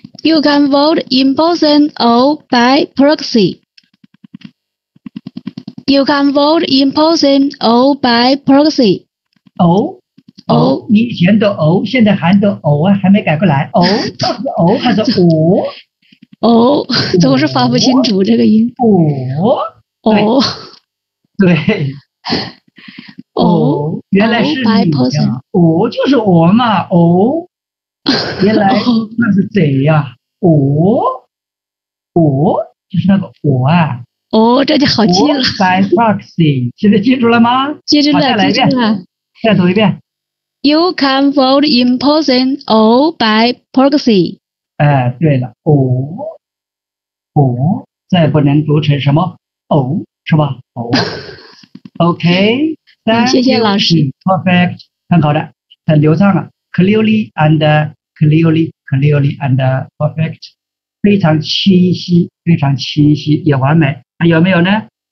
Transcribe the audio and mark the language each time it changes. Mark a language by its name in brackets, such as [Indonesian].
[English] You can vote in person or by proxy. You can vote in person or by proxy. Oh, [Chinese] 偶，你以前的偶，现在含的偶啊，还没改过来。偶，到底是偶还是偶？偶，总是发不清楚这个音。偶，偶，对，偶，原来是你呀。偶就是我嘛，偶，原来那是谁呀？偶，偶就是那个我啊。哦，这就好记了。 [English] By proxy， [Chinese] 现在记住了吗？记住了，再来一遍，再读一遍。 [English] You can vote in person or by proxy。 [Chinese] 哎，对了，哦，哦，再不能读成什么哦，是吧？哦。OK，谢谢老师。 [English] Perfect， [Chinese] 很好的，很流畅了。 [English] Clearly and clearly， clearly and perfect， [Chinese] 非常清晰，非常清晰，也完美。还有没有呢？